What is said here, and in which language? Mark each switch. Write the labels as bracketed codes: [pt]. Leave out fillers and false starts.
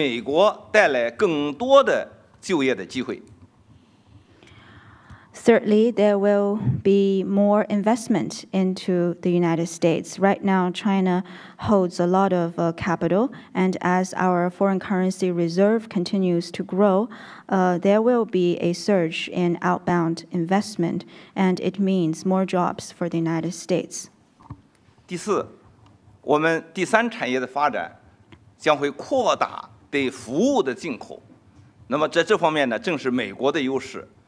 [zh] 将会出现一个迅猛增长的阶段，那么对美国投资的增加将会为美国带来更多的就业的机会。 [en] Thirdly, there will be more investment into the United States. Right now, China holds a lot of capital, and as our foreign currency reserve continues to grow, there will be a surge in outbound investment, and it means more jobs for the United States. [zh] 第四，我们第三产业的发展将会扩大对服务的进口，那么在这方面呢，正是美国的优势。